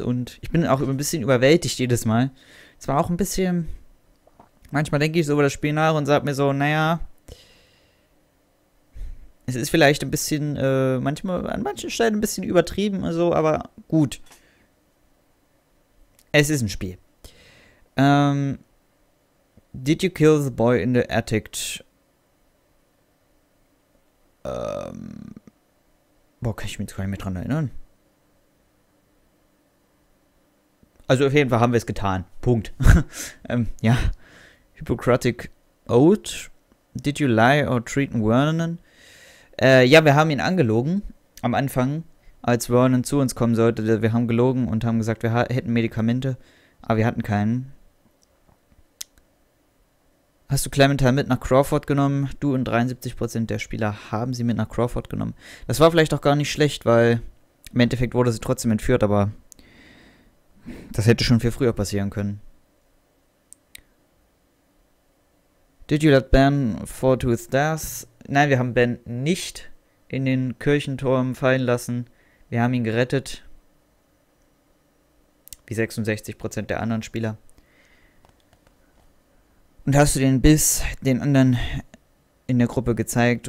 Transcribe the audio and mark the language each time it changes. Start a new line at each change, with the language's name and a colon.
German: Und ich bin auch ein bisschen überwältigt jedes Mal. Es war auch ein bisschen... Manchmal denke ich so über das Spiel nach und sage mir so, naja... Es ist vielleicht ein bisschen, manchmal an manchen Stellen ein bisschen übertrieben und so, aber gut. Es ist ein Spiel.
English: Did you kill the boy in the attic?
German: Boah, kann ich mich jetzt gar nicht mehr dran erinnern. Also auf jeden Fall haben wir es getan. Punkt. ja. Hippocratic Oath.
English: Did you lie or treat Vernon?
German: Ja, wir haben ihn angelogen am Anfang, als Vernon zu uns kommen sollte. Wir haben gelogen und haben gesagt, wir hätten Medikamente, aber wir hatten keinen. Hast du Clementine mit nach Crawford genommen? Du und 73% der Spieler haben sie mit nach Crawford genommen. Das war vielleicht auch gar nicht schlecht, weil im Endeffekt wurde sie trotzdem entführt, aber das hätte schon viel früher passieren können.
English: Did you let Ben fall to his death?
German: Nein, wir haben Ben nicht in den Kirchenturm fallen lassen. Wir haben ihn gerettet. Wie 66% der anderen Spieler. Und hast du den Biss den anderen in der Gruppe gezeigt?